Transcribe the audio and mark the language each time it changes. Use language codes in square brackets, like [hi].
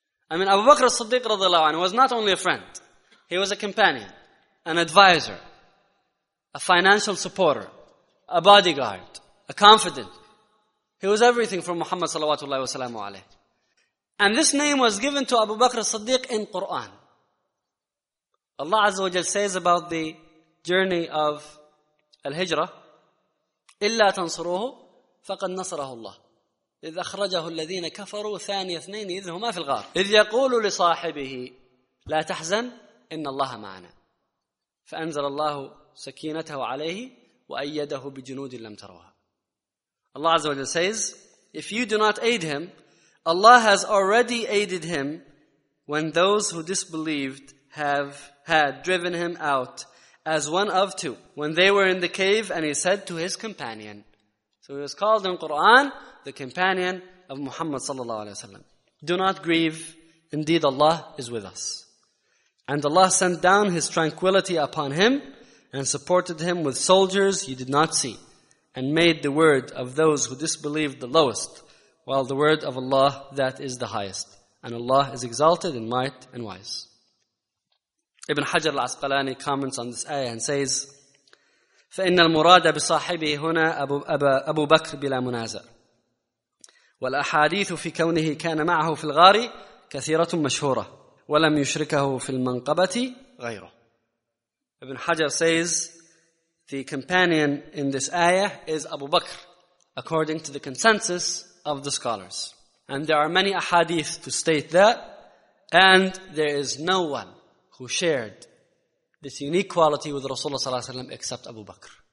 [en] I mean, Abu Bakr as-Siddiq radiallahu anhu was not only a friend. He was a companion, an advisor, a financial supporter, a bodyguard, a confidant. He was everything for Muhammad sallallahu alayhi wa sallam. And this name was given to Abu Bakr as-Siddiq in Quran. Allah Azza wa Jal says about the journey of Al-Hijrah, [ar] إِلَّا تَنْصُرُوهُ فَقَدْ نَصَرَهُ اللَّهُ إِذْ أَخْرَجَهُ الَّذِينَ كَفَرُوا ثَانِيَ اثْنَيْنِ إِذْ هُمَا فِي الْغَارِ إِذْ يَقُولُ لِصَاحِبِهِ لَا تَحْزَنْ إِنَّ اللَّهَ مَعَنَا فَأَنزَلَ اللَّهُ سَكِينَتَهُ عَلَيْهِ وَأَيَّدَهُ بِجُنُودٍ لَمْ تَرَوْهَا. [en] Allah Azza wa Jal says, if you do not aid him, Allah has already aided him when those who disbelieved had driven him out as one of two. When they were in the cave and he said to his companion. So he was called in Quran, the companion of Muhammad sallallahu alayhi wa sallam. Do not grieve, indeed Allah is with us. And Allah sent down his tranquility upon him and supported him with soldiers you did not see. And made the word of those who disbelieved the lowest. While the word of Allah, that is the highest. And Allah is exalted in might and wise. Ibn Hajar al-Asqalani comments on this ayah and says, [ar] فَإِنَّ الْمُرَادَ بِصَاحِبِهِ هُنَا أَبُو بَكْرِ بِلَا مُنَازَرِ وَالْأَحَادِيثُ فِي كَوْنِهِ كَانَ مَعَهُ فِي الْغَارِ كَثِيرَةٌ مَشْهُورَةٌ وَلَمْ يُشْرِكَهُ فِي الْمَنْقَبَةِ غَيْرُهُ. [en] Ibn Hajar says, the companion in this ayah is Abu Bakr, according to the consensus of the scholars. And there are many ahadith to state that, and there is no one who shared this unique quality with Rasulullah sallallahu alaihi wasallam except Abu Bakr.